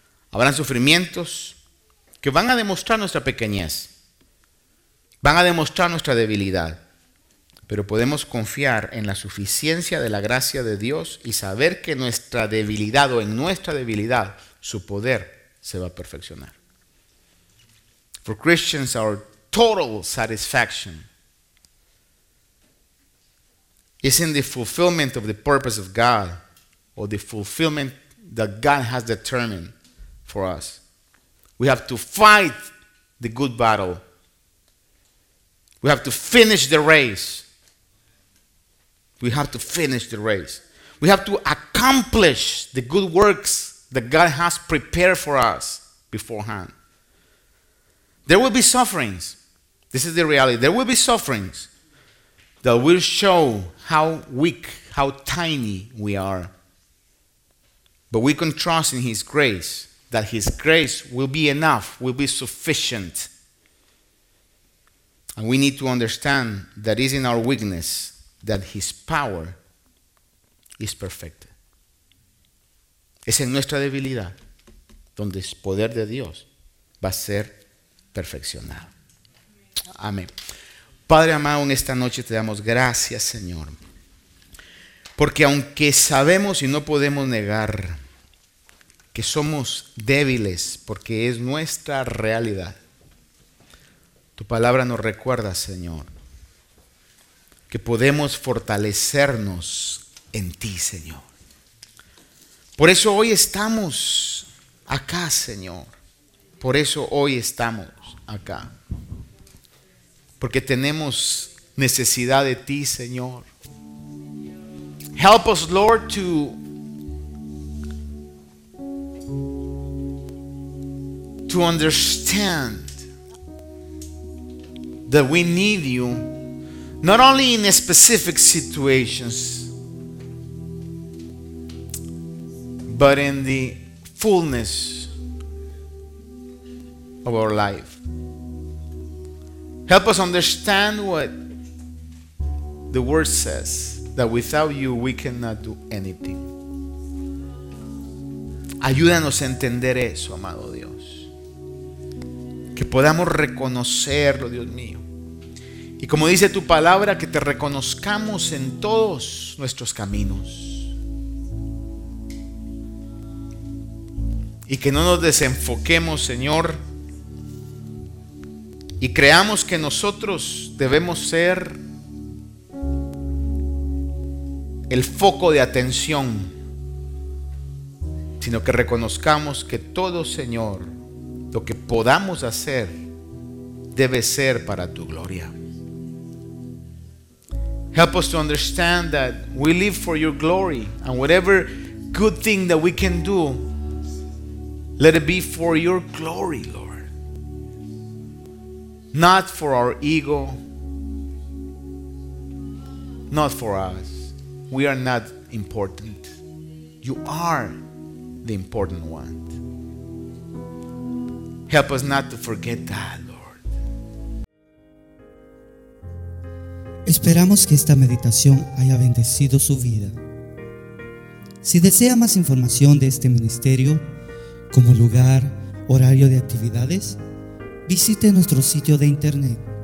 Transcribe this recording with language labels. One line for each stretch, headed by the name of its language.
Spanish: Habrán sufrimientos que van a demostrar nuestra pequeñez, van a demostrar nuestra debilidad, pero podemos confiar en la suficiencia de la gracia de Dios y saber que nuestra debilidad o en nuestra debilidad su poder se va a perfeccionar.
English: For Christians, our total satisfaction is in the fulfillment of the purpose of God, or the fulfillment that God has determined for us. We have to fight the good battle. We have to finish the race. We have to finish the race. We have to accomplish the good works that God has prepared for us beforehand. There will be sufferings. This is the reality. There will be sufferings that will show how weak, how tiny we are. But we can trust in His grace, that His grace will be enough, will be sufficient. And we need to understand that is in our weakness that His power is perfected.
Spanish: Es en nuestra debilidad donde el poder de Dios va a ser perfeccionado. Amén. Padre amado, en esta noche te damos gracias, Señor, porque aunque sabemos y no podemos negar que somos débiles, porque es nuestra realidad, tu palabra nos recuerda, Señor, que podemos fortalecernos en ti, Señor. Por eso hoy estamos acá, Señor. Por eso hoy estamos acá. Porque tenemos necesidad de ti, Señor.
English: Help us, Lord, to understand that we need you not only in specific situations but in the fullness of our life. Help us understand what the word says, that without you we cannot do anything.
Spanish: Ayúdanos a entender eso, amado Dios. Que podamos reconocerlo, Dios mío. Y como dice tu palabra, que te reconozcamos en todos nuestros caminos. Y que no nos desenfoquemos, Señor. Y creamos que nosotros debemos ser el foco de atención. Sino que reconozcamos que todo, Señor, lo que podamos hacer debe ser para tu gloria.
English: Help us to understand that we live for your glory, and whatever good thing that we can do, let it be for your glory, Lord. Not for our ego, not for us. We are not important. You are the important one. Help us not to forget that, Lord.
Spanish: Esperamos que esta meditación haya bendecido su vida. Si desea más información de este ministerio, como lugar, horario de actividades, visite nuestro sitio de internet.